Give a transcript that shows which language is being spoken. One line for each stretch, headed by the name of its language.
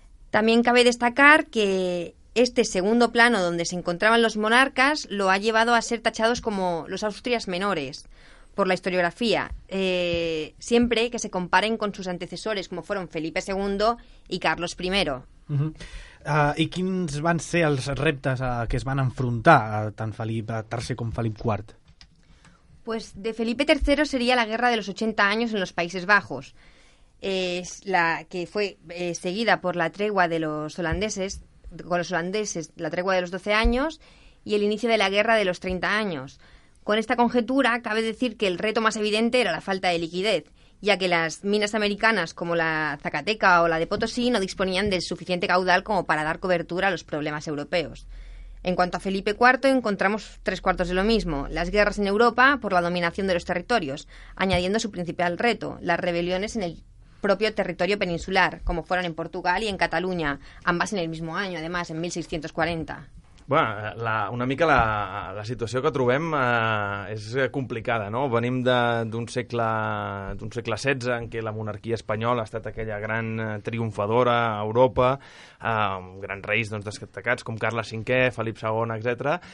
Spanish: También cabe destacar que este segundo plano donde se encontraban los monarcas lo ha llevado a ser tachados como los Austrias menores por la historiografía, siempre que se comparen con sus antecesores como fueron Felipe II y Carlos I.
Catalan: I quins van ser els reptes que es van enfrontar tant Felipe III com Felipe IV?
Spanish: Pues de Felipe III sería la guerra de los 80 años en los Países Bajos, la que fue seguida por la tregua de los holandeses, con los holandeses la tregua de los 12 años y el inicio de la guerra de los 30 años. Con esta conjetura cabe decir que el reto más evidente era la falta de liquidez, ya que las minas americanas como la Zacateca o la de Potosí no disponían del suficiente caudal como para dar cobertura a los problemas europeos. En cuanto a Felipe IV, encontramos tres cuartos de lo mismo, las guerras en Europa por la dominación de los territorios, añadiendo su principal reto, las rebeliones en el propio territorio peninsular, como fueron en Portugal y en Cataluña, ambas en el mismo año, además, en 1640.
Catalan: Bueno, una mica la situació que trobem és complicada, no? Venim d'un segle XVI en què la monarquia espanyola ha estat aquella gran triomfadora a Europa, grans reis doncs, destacats com Carles V, Felip II, etc.